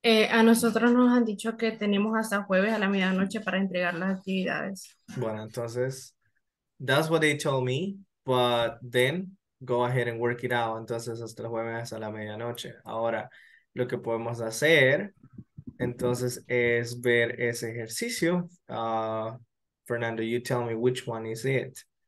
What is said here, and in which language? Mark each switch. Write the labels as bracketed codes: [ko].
[es] A nosotros nos han dicho que tenemos hasta jueves a la medianoche para entregar las actividades. Bueno, entonces, [en] that's what they told me, but then go ahead and work it out. [es] Entonces, hasta el jueves a la medianoche. Ahora, lo que podemos hacer, entonces, es ver ese ejercicio. [en] Fernando, you tell me which one is it.